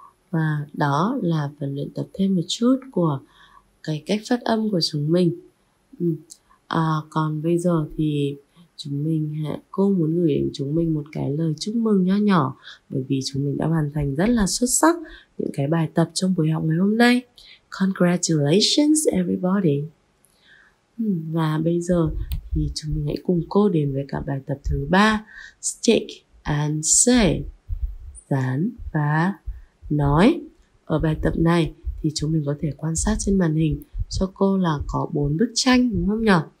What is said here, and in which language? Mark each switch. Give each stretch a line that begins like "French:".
Vietnamese: Và đó là phần luyện tập thêm một chút của cái cách phát âm của chúng mình. Còn bây giờ thì chúng mình hãy, cô muốn gửi đến chúng mình một cái lời chúc mừng nho nhỏ, bởi vì chúng mình đã hoàn thành rất là xuất sắc những cái bài tập trong buổi học ngày hôm nay.
English: Congratulations everybody.
Vietnamese: Và bây giờ thì chúng mình hãy cùng cô đến với cả bài tập thứ 3, Stick and Say, dán và nói. Ở bài tập này thì chúng mình có thể quan sát trên màn hình cho cô là có 4 bức tranh đúng không nhỉ?